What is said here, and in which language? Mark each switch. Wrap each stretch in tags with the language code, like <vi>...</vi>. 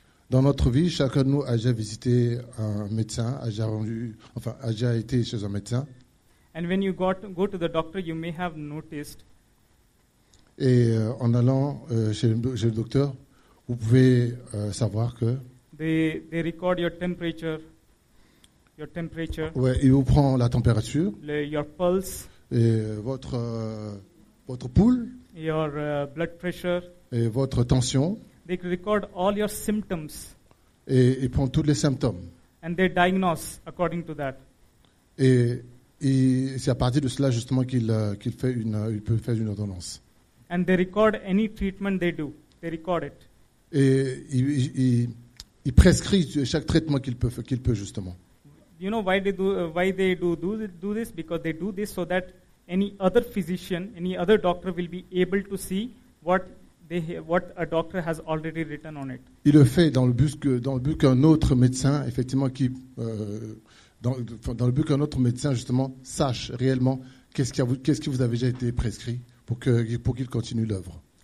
<fr>Dans notre vie, chacun de nous a déjà visité un médecin, a déjà été chez un médecin.</fr> <en>And when you go to the doctor, you may have noticed.</en> <fr>Et en allant chez le docteur, vous pouvez savoir que.</fr> <en>They record your temperature. Your temperature.</en> <fr>Ouais, il vous prend la température.</fr> <en>Your pulse.</en> <fr>Et votre pouls.</fr> <en>Your blood pressure.</en> <fr>Et votre tension.</fr> <en>They record all your symptoms.</en> <fr>Et il prend tous les symptômes.</fr> <en>And they diagnose according to that.</en> <fr>Et c'est à partir de cela justement qu'il fait une ordonnance.</fr> <en>And they record any treatment they do. They record it.</en> <fr>Et il prescrit chaque traitement qu'il peut justement.</fr> <en>You know why they do this? Because they do this so that any other physician, any other doctor will be able to see what a doctor has already written on it.</en> <fr>Il le fait dans le but qu'un autre médecin justement sache réellement qu'est-ce qui vous avez déjà été prescrit pour qu'il continue l'œuvre.</fr>